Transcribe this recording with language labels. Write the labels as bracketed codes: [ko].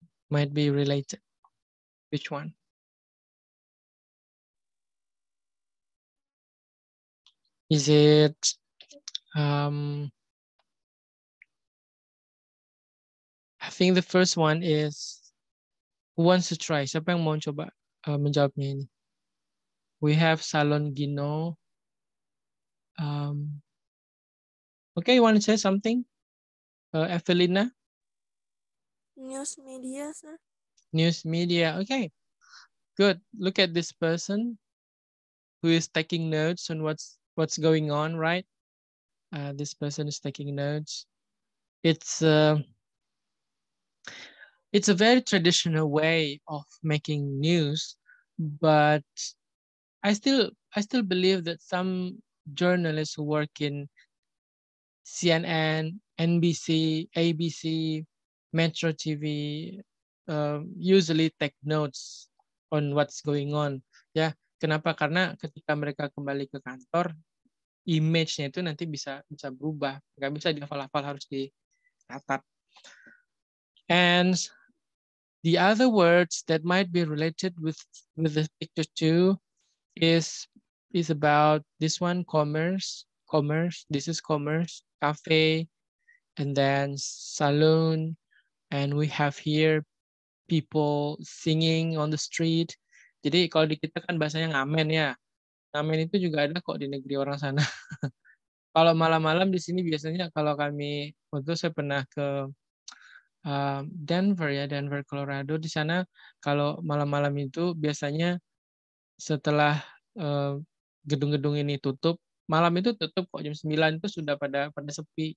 [en] Might be related. Which one? Is it I think the first one is who wants to try? [id] Siapa yang mau coba menjawabnya ini? [en] We have Salon Gino. Okay, you want to say something? Evelina? News media, sir. News media, okay. Good. Look at this person who is taking notes on what's going on, right? This person is taking notes. It's a very traditional way of making news, but I still believe that some journalists who work in CNN, NBC, ABC, Metro TV usually take notes on what's going on. [id] Ya, kenapa? Karena ketika mereka kembali ke kantor, image-nya itu nanti bisa berubah. Gak bisa dihafal-hafal, harus dicatat. [en] And the other words that might be related with the picture too. Is about this one, commerce. This is commerce, cafe, and then saloon. And we have here people singing on the street. [id] Jadi kalau di kita kan bahasanya ngamen ya. Ngamen itu juga ada kok di negeri orang sana. Kalau malam-malam di sini biasanya kalau kami, waktu saya pernah ke Denver, Colorado. Di sana kalau malam-malam itu biasanya setelah gedung-gedung ini tutup, malam itu tutup kok, jam 9 itu sudah pada sepi.